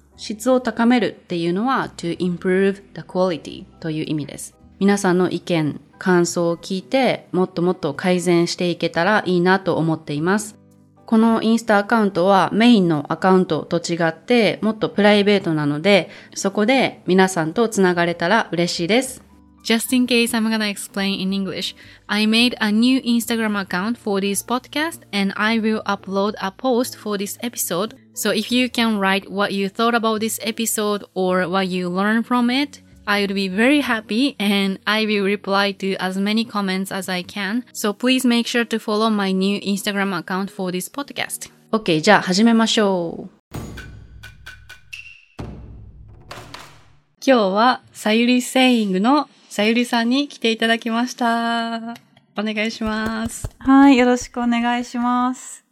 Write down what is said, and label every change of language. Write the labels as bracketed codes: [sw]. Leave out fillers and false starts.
[ja] 質を高めるっていうのは、 [en] to improve the quality [ja] という意味です。皆さんの意見、感想を聞いてもっともっと改善していけたらいいなと思っています。このインスタアカウントはメインのアカウントと違ってもっとプライベートなので、そこで皆さんとつながれたら嬉しいです。 [en] Just in case I'm gonna explain in English, I made a new Instagram account for this podcast and I will upload a post for this episode. So if you can write what you thought about this episode or what you learned from itI would be very happy and I will reply to as many comments as I can. So please make sure to follow my new Instagram account for this podcast. [ja] OK, じゃあ始めましょう。今日はさゆりセーイングのさゆりさんに来ていただきました。お願いします。はい、よろしくお願いします。